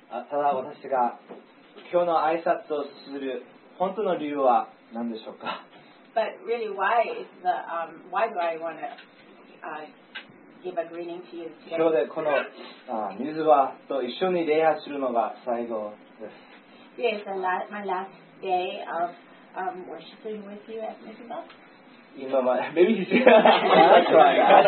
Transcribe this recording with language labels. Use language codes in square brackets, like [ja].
[ja] ただ私が今日の挨拶をする本当の理由は何でしょうか。 [en] But really, why is the why do I want to give a greeting to you today? [ja] 今日でこの水場と一緒に礼拝するのが最後です。 [en] Yes, and that's my last day of worshiping with you at Mizuba. [ja] 今まで [en] maybe he's that's right.